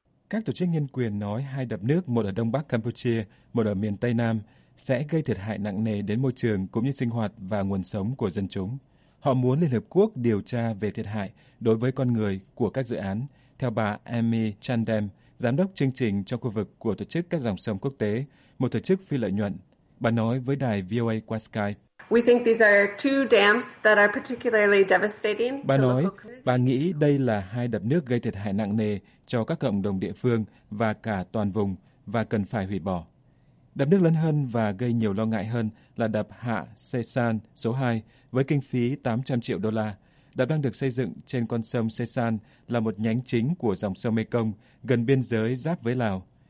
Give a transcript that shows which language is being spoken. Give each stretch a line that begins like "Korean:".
Vietnamese: Các tổ chức nhân quyền nói hai đập nước, một ở đông bắc Campuchia, một ở miền Tây Nam, sẽ gây thiệt hại nặng nề đến môi trường cũng như sinh hoạt và nguồn sống của dân chúng. Họ muốn Liên Hợp Quốc điều tra về thiệt hại đối với con người của các dự án, theo bà Amy Chandem, giám đốc chương trình trong khu vực của Tổ chức các dòng sông quốc tế, một tổ chức phi lợi nhuận. Bà nói với đài VOA qua Skype.
English: We think these are two dams that are particularly devastating.
Vietnamese: Bà nói, bà nghĩ đây là hai đập nước gây thiệt hại nặng nề cho các cộng đồng địa phương và cả toàn vùng và cần phải hủy bỏ. Đập nước lớn hơn và gây nhiều lo ngại hơn là đập Hạ Sesan số 2 với kinh phí 800 triệu đô la. Đập đang được xây dựng trên con sông Sesan là một nhánh chính của dòng sông Mekong gần biên giới giáp với Lào.